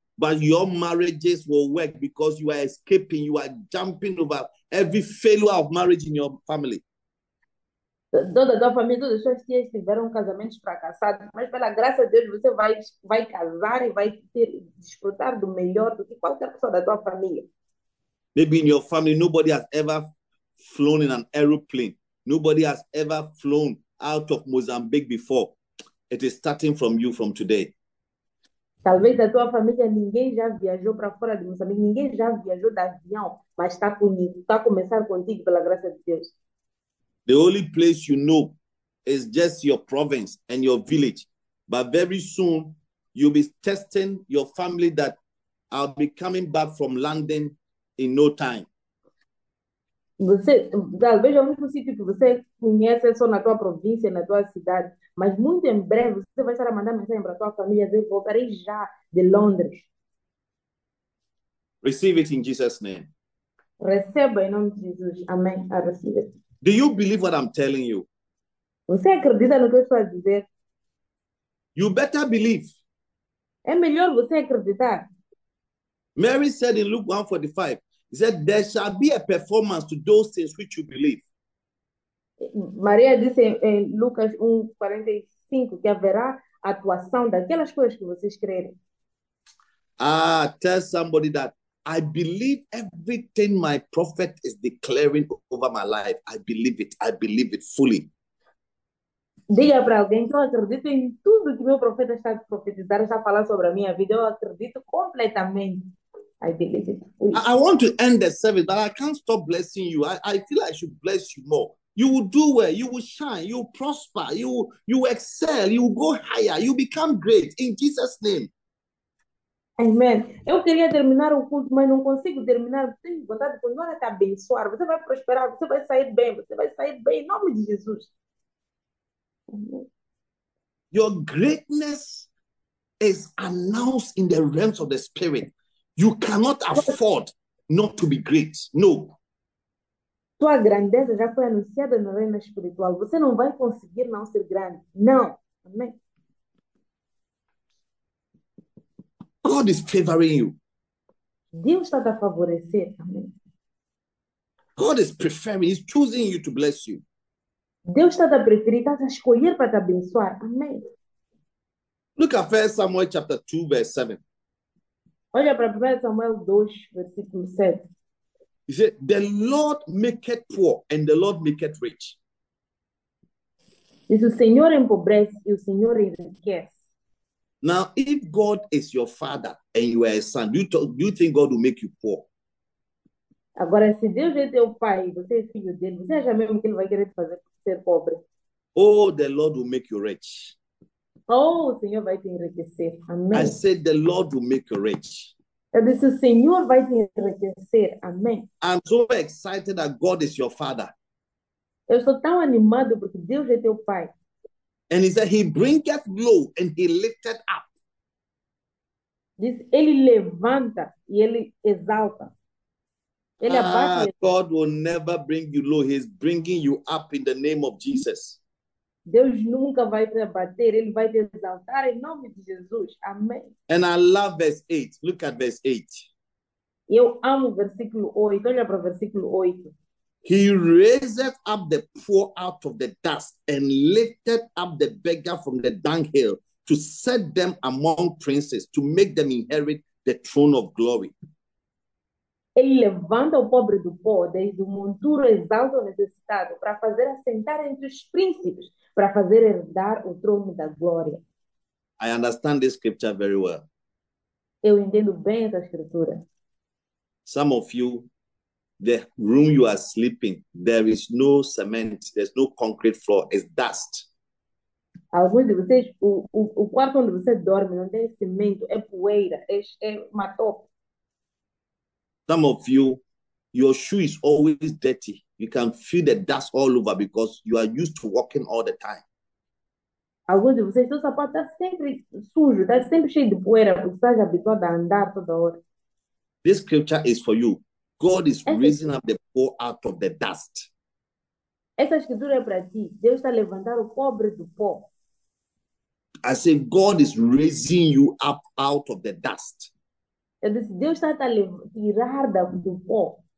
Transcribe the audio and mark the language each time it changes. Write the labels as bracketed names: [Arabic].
[English] But your marriages will work because you are escaping. You are jumping over every failure of marriage in your family. [Portuguese] Toda a família, todas as suas tias tiveram casamentos fracassados. Mas pela graça de Deus, você vai casar e vai desfrutar do melhor do que qualquer pessoa da tua família. [English] Maybe in your family, nobody has ever flown in an aeroplane. Nobody has ever flown out of Mozambique before. It is starting from you from today. [Portuguese] Talvez da tua família ninguém já viajou para fora de Moçambique, ninguém já viajou de avião, mas está comigo, está a começar contigo pela graça de Deus. [English] The only place you know is just your province and your village, but very soon you'll be testing your family that I'll be coming back from London in no time. [Portuguese] Você, talvez o único sítio que você conhece é só na tua província, na tua cidade. Mas muito em breve você vai estar a mandar mensagem para a tua família dizer: voltarei já de Londres. [English] Receive it in Jesus' name. [Portuguese] Receba em nome de Jesus. Amém. [English] I receive it. Do you believe what I'm telling you? [Portuguese] Você acredita no que eu estou a dizer? [English] You better believe. [Portuguese] É melhor você acreditar. [English] Mary said in Luke 1:45, he said, there shall be a performance to those things which you believe. [Portuguese] Maria disse em Lucas 1:45 que haverá atuação daquelas coisas que vocês crerem. [English] Ah, tell somebody that I believe everything my prophet is declaring over my life. I believe it fully. [Portuguese] Diga para alguém que eu acredito em tudo que meu profeta está a profetizar, está a falar sobre a minha vida. Eu acredito completamente. [English] I believe it fully. I want to end the service, but I can't stop blessing you. I feel I should bless you more. You will do well, you will shine, you will prosper, you will excel, you will go higher, you become great in Jesus' name. Amen. [Portuguese] Eu queria terminar o culto, mas não consigo terminar. Tenho vontade de continuar a te abençoar. Você vai prosperar, você vai sair bem em nome de Jesus. [English] Your greatness is announced in the realms of the spirit. You cannot afford not to be great. No. [Portuguese] Tua grandeza já foi anunciada no reino espiritual. Você não vai conseguir não ser grande. Não. Amém. [English] God is favoring you. [Portuguese] Deus está a favorecer. Amém. [English] God is preferring, he's choosing you to bless you. [Portuguese] Deus está a preferir, está a escolher para te abençoar. Amém. [English] Look at 1 Samuel chapter 2, verse 7. [Portuguese] Olha para 1 Samuel 2, versículo 7. [English] He said, the Lord maketh poor and the Lord maketh rich. [Portuguese] Diz, o Senhor empobrece e o Senhor enriquece. [English] Now, if God is your father and you are a son, do you think God will make you poor? [Portuguese] Agora, se Deus é teu pai e você é filho dele, você acha mesmo que ele vai querer te fazer ser pobre? [English] Oh, the Lord will make you rich. [Portuguese] Oh, o Senhor vai te enriquecer. Amém. [English] I said, the Lord will make you rich. [Portuguese] Eu disse, o Senhor vai te enriquecer. Amém. [English] I'm so excited that God is your father. [Portuguese] Eu estou tão animado porque Deus é teu Pai. [English] And he said, he bringeth low and he lifted up. [Portuguese] Diz, ele levanta e ele exalta. Ele abaixa e [English] God will never bring you low. He's bringing you up in the name of Jesus. [Portuguese] Deus nunca vai te abater, ele vai te exaltar em nome de Jesus. Amém. [English] And I love verse 8. Look at verse 8. [Portuguese] Eu amo o versículo 8. Olha para o versículo 8. [English] He raised up the poor out of the dust and lifted up the beggar from the dunghill to set them among princes, to make them inherit the throne of glory. [Portuguese] Ele levanta o pobre do pó, desde o monturo exalta o necessitado, para fazer assentar entre os príncipes, para fazer herdar o trono da glória. [English] I understand this scripture very well. [Portuguese] Eu entendo bem essa escritura. [English] Some of you, the room you are sleeping, there is no cement, there's no concrete floor, it's dust. [Portuguese] Alguns de vocês, o quarto onde você dorme não tem cimento, é poeira, é mato. [English] Some of you, your shoe is always dirty. You can feel the dust all over because you are used to walking all the time. [Portuguese] Alguns de vocês, seu sapato está sempre sujo, está sempre cheio de poeira, porque está habituado a andar toda hora. [English] This scripture is for you. God is [Portuguese] Essa [English] raising up the poor out of the dust. [Portuguese] escritura é para ti. Deus está levantando o pobre do pó. [English] I say, God is raising you up out of the dust. [Portuguese] Eu disse, Deus está tirar do pó.